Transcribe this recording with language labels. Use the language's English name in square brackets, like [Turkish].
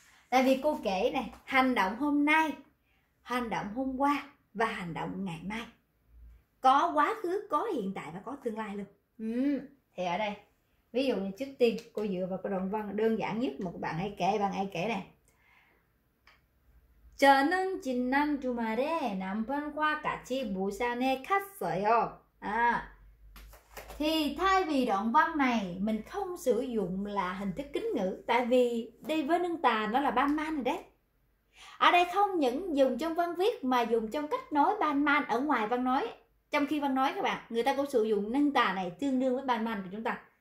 [Vietnamese] Tại vì cô kể này, hành động hôm nay, hành động hôm qua và hành động ngày mai. Có quá khứ, có hiện tại và có tương lai luôn. Thì ở đây, ví dụ như trước tiên cô dựa vào cái đoạn văn đơn giản nhất mà các bạn ấy kể, này. [Korean] 저는 지난 주말에 남편과 같이 부산에 갔어요. [Vietnamese] À, thì thay vì đoạn văn này mình không sử dụng là hình thức kính ngữ, tại vì đi với nâng tà nó là ban man rồi đấy. Ở đây không những dùng trong văn viết mà dùng trong cách nói ban man ở ngoài văn nói. Trong khi văn nói các bạn, người ta cũng sử dụng nâng tà này tương đương với ban man của chúng ta.